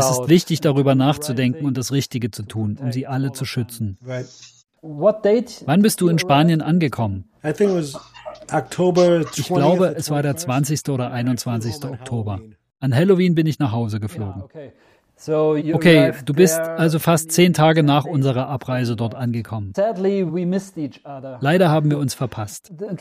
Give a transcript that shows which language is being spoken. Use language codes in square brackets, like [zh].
[de] Es ist wichtig, darüber nachzudenken und das Richtige zu tun, um sie alle zu schützen. [en] What date? [de] Wann bist du in Spanien angekommen? [en] I think it was October 20th. [de] Ich glaube, es war der 20. oder 21. Oktober. An Halloween bin ich nach Hause geflogen. Okay, du bist also fast 10 Tage nach unserer Abreise dort angekommen. Leider haben wir uns verpasst.